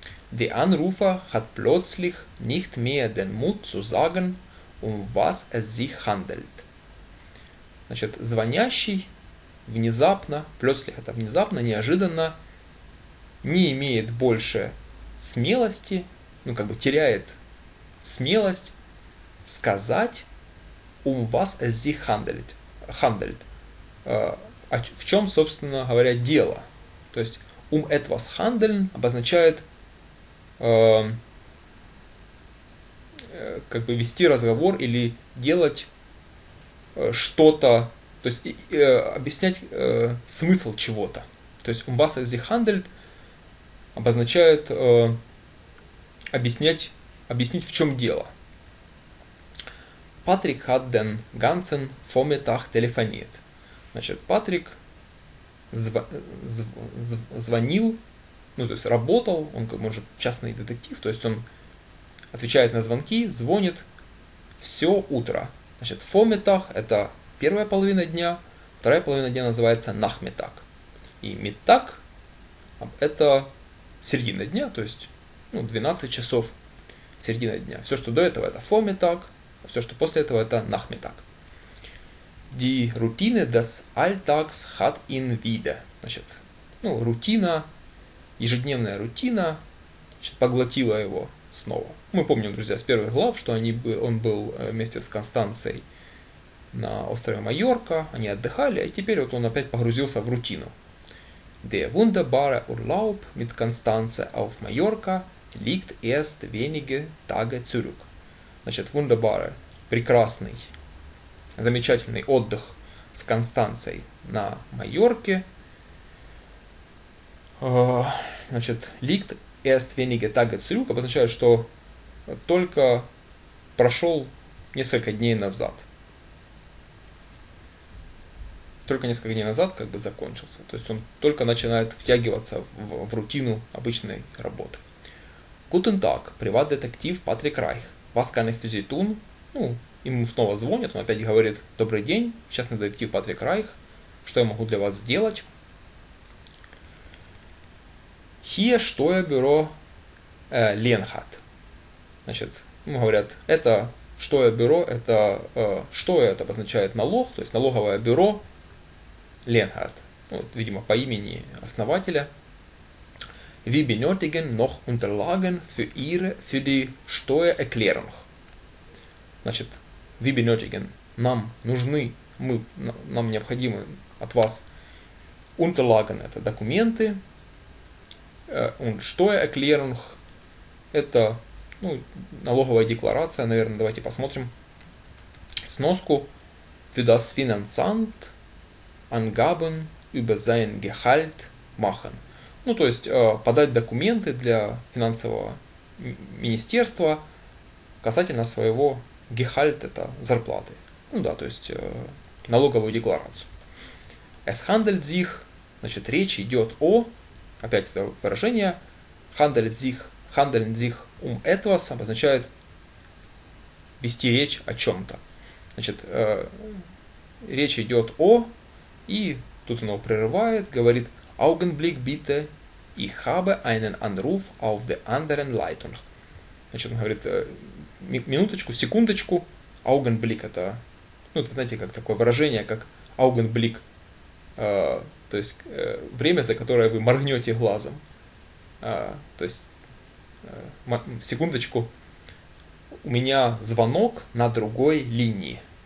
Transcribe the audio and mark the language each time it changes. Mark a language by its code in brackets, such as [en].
[de] Der Anrufer hat plötzlich nicht mehr den Mut zu sagen, was es sich handelt. [ru] Значит, звонящий внезапно, plötzlich – это внезапно, неожиданно, не имеет больше смелости, ну, как бы теряет смелость, сказать [de] «um was es sich handelt», [ru] handelt. В чем, собственно говоря, дело. То есть [de] «um etwas handeln» [ru] обозначает как бы вести разговор или делать что-то, то есть объяснять смысл чего-то. То есть [de] «um was es sich handelt» [ru] обозначает объяснить, в чем дело. [de] Патрик hat den ganzen Vormittag telefoniert. [ru] Значит, Патрик звонил, ну, то есть работал, он как может частный детектив, то есть он отвечает на звонки, звонит все утро. Значит, Vormittag – это первая половина дня, вторая половина дня называется Nachmittag. И Mittag – это середина дня, то есть, ну, 12 часов середина дня. Все, что до этого – это Vormittag. Все, что после этого, это Nachmittag. [de] Die Routine des Alltags hat ihn wieder. [ru] Значит, ну, рутина, ежедневная рутина, значит, поглотила его снова. Мы помним, друзья, с первых глав, что он был вместе с Констанцией на острове Майорка, они отдыхали, и теперь вот он опять погрузился в рутину. [de] Der wunderbare Urlaub mit Constanze auf Mallorca liegt erst wenige Tage zurück. [ru] Значит, Wunderbare – прекрасный, замечательный отдых с Констанцией на Майорке. Значит, [de] liegt erst wenige Tage zurück [ru] обозначает, что только прошел несколько дней назад. Только несколько дней назад как бы закончился. То есть он только начинает втягиваться в рутину обычной работы. [de] Guten Tag, приват-детектив Патрик Райх. Was kann ich für Sie tun? [ru] Ну, ему снова звонят, он опять говорит: добрый день, частный детектив Патрик Райх. Что я могу для вас сделать? [de] Hier Steuerbüro Lenhardt. [ru] Значит, ему говорят, это Steuerbüro, это Steuer, это обозначает налог, то есть налоговое бюро Lenhardt. Ну, вот, видимо, по имени основателя. [de] Wir benötigen noch Unterlagen für die Steuererklärung. [ru] Значит, [de] wir benötigen, [ru] нам нужны, нам необходимы от вас Unterlagen, это документы, und Steuererklärung, это, ну, налоговая декларация, наверное, давайте посмотрим сноску. [de] Für das Finanzamt Angaben über sein Gehalt machen. [ru] Ну, то есть подать документы для финансового министерства касательно своего Gehalt, это зарплаты. Ну да, то есть налоговую декларацию. [de] Es handelt sich, [ru] значит, речь идет о, опять это выражение, [de] handelt sich um etwas, [ru] обозначает вести речь о чем-то. Значит, речь идет о, и тут оно прерывает, говорит, [de] Augenblick bitte. И habe einen Anruf auf der anderen Leitung. [ru] Значит, он говорит, минуточку, секундочку, Augenblick – это Ну, это, знаете, как такое выражение, как Augenblick, то есть время, за которое вы моргнете глазом. То есть, секундочку, у меня звонок на другой линии.